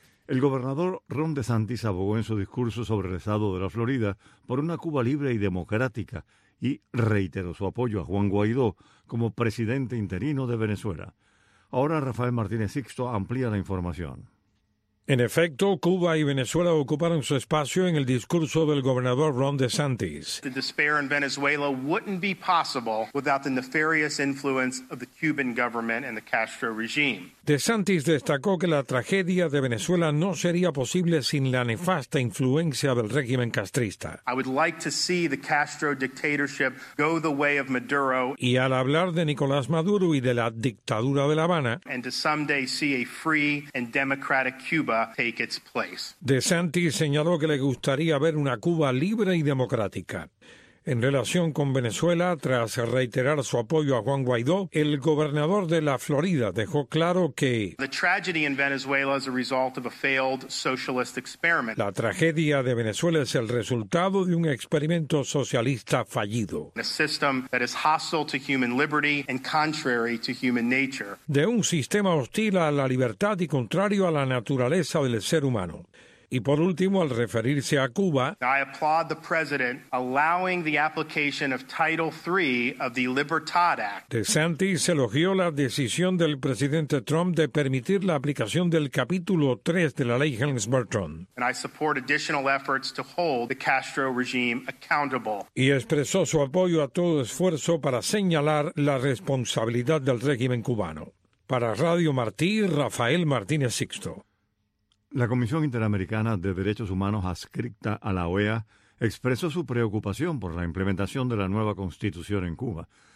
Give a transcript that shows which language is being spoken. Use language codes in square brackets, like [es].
[es] El gobernador Ron DeSantis abogó en su discurso sobre el estado de la Florida por una Cuba libre y democrática y reiteró su apoyo a Juan Guaidó como presidente interino de Venezuela. Ahora Rafael Martínez Sixto amplía la información. En efecto, Cuba y Venezuela ocuparon su espacio en el discurso del gobernador Ron DeSantis. [en] The despair in Venezuela wouldn't be possible without the nefarious influence of the Cuban government and the Castro regime. [es] DeSantis destacó que la tragedia de Venezuela no sería posible sin la nefasta influencia del régimen castrista. [en] I would like to see the Castro dictatorship go the way of Maduro. [es] Y al hablar de Nicolás Maduro y de la dictadura de La Habana, [en] and to someday see a free and democratic Cuba take its place. [es] DeSantis señaló que le gustaría ver una Cuba libre y democrática. En relación con Venezuela, tras reiterar su apoyo a Juan Guaidó, el gobernador de la Florida dejó claro que [en] the tragedy in Venezuela is a result of a failed socialist experiment. [es] La tragedia de Venezuela es el resultado de un experimento socialista fallido. [en] A system that is hostile to human liberty and contrary to human nature. [es] De un sistema hostil a la libertad y contrario a la naturaleza del ser humano. Y por último, al referirse a Cuba, [en] I applaud the president allowing the application of Title III of the Libertad Act. [es] DeSantis elogió la decisión del presidente Trump de permitir la aplicación del capítulo 3 de la ley Helms-Burton. [en] And I support additional efforts to hold the Castro regime accountable. [es] Y expresó su apoyo a todo esfuerzo para señalar la responsabilidad del régimen cubano. Para Radio Martí, Rafael Martínez Sixto. La Comisión Interamericana de Derechos Humanos, adscrita a la OEA, expresó su preocupación por la implementación de la nueva Constitución en Cuba.